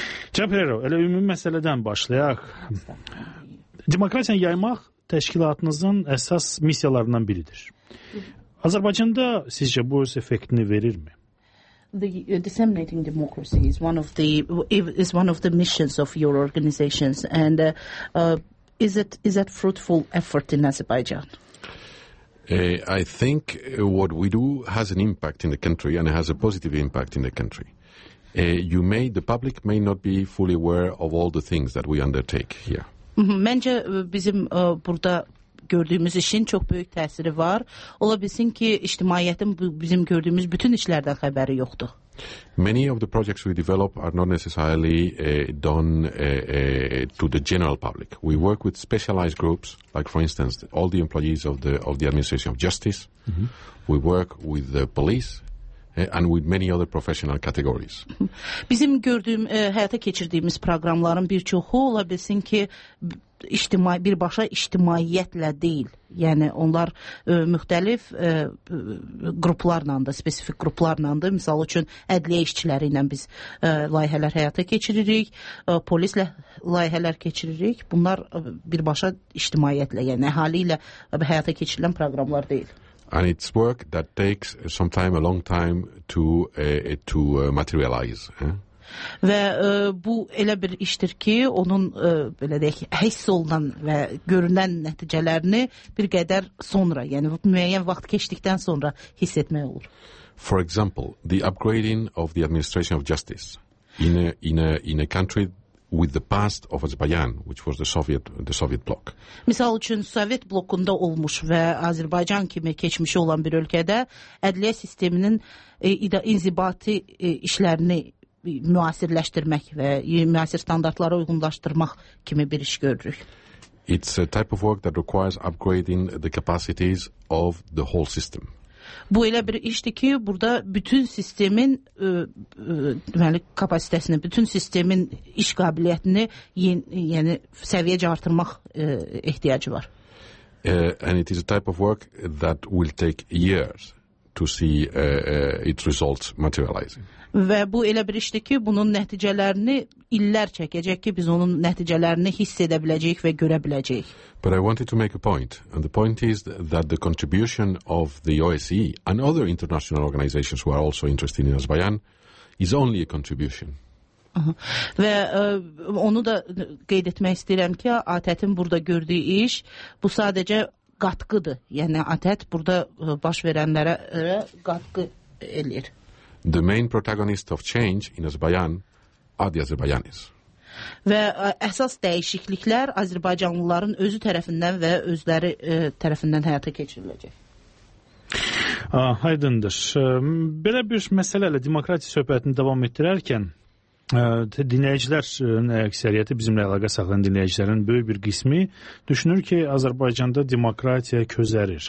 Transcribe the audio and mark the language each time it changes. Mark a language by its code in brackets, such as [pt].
[az] Can Xeyrerov, elə ümumi məsələdən başlayaq. Demokratiyanı yaymaq təşkilatınızın əsas missiyalarından biridir. Azərbaycanda sizcə bu öz effektini verir mi? [en] The disseminating democracy is one of the missions of your organizations and is it fruitful effort in Azerbaijan? I think what we do has an impact in the country and it has a positive impact in the country. The public may not be fully aware of all the things that we undertake here. [az] Məncə bizim burada gördüyümüz işin çox böyük təsiri var. Ola bilsin ki, ictimaiyyətin bizim gördüyümüz bütün işlərdən xəbəri yoxdur. [en] Many of the projects we develop are not necessarily to the general public. We work with specialized groups, like for instance, all the employees of the Administration of Justice. Mm-hmm. We work with the police. And with many other professional categories. [az] Bizim gördüyüm, həyata keçirdiyimiz proqramların bir çoxu ola bilsin ki, birbaşa ictimaiyyətlə deyil. Yəni, onlar müxtəlif qruplarlandır, spesifik qruplarlandır. Misal üçün, ədliyyə işçiləri ilə biz layihələr həyata keçiririk, polislə layihələr keçiririk. Bunlar birbaşa ictimaiyyətlə, yəni əhali ilə həyata keçirilən proqramlar deyil. [en] And it's work that takes sometimes a long time to materialize. Eh? [az] Və bu elə bir işdir ki, onun belə deyək, həss olunan və görünən nəticələrini bir qədər sonra, yəni müəyyən vaxt keçdikdən sonra hiss etmək olur. [en] For example, the upgrading of the administration of justice in a country with the past of Azerbaijan, which was the Soviet bloc. [az] Misal üçün Sovet blokunda olmuş və Azərbaycan kimi keçmişi olan bir ölkədə ədliyyə sisteminin inzibati işlərini müasirləşdirmək və müasir standartlara uyğunlaşdırmaq kimi bir iş görürük. [en] It's a type of work that requires upgrading the capacities of the whole system. [az] Bu elə bir işdir ki, burada bütün sistemin deməli kapasitəsini, bütün sistemin iş qabiliyyətini, yəni səviyyəcə artırmaq ehtiyacı var. [en] And it is a type of work that will take years to see its results materializing. [az] Və bu elə bir işdir ki, bunun nəticələrini illər çəkəcək ki, biz onun nəticələrini hiss edə biləcəyik və görə biləcəyik. [en] But I wanted to make a point, and the point is that the contribution of the OSCE and other international organizations who are also interested in Azerbaijan is only a contribution. [az] Və onu da qeyd etmək istəyirəm ki, ATƏT-in burada gördüyü iş bu sadəcə qatqıdır. Yəni ATƏT burada baş verənlərə qatqı eləyir. [en] The main protagonist of change in Azerbaijan are the Azerbaijanis. [az] Və əsas dəyişikliklər Azərbaycanlıların özü tərəfindən və özləri tərəfindən həyata keçiriləcək. Aydındır. Belə bir məsələ ilə demokratiya söhbətini davam etdirərkən dinləyicilər əksəriyyəti, bizimlə əlaqə saxlayan dinləyicilərin böyük bir qismi düşünür ki, Azərbaycanda demokratiya közərir.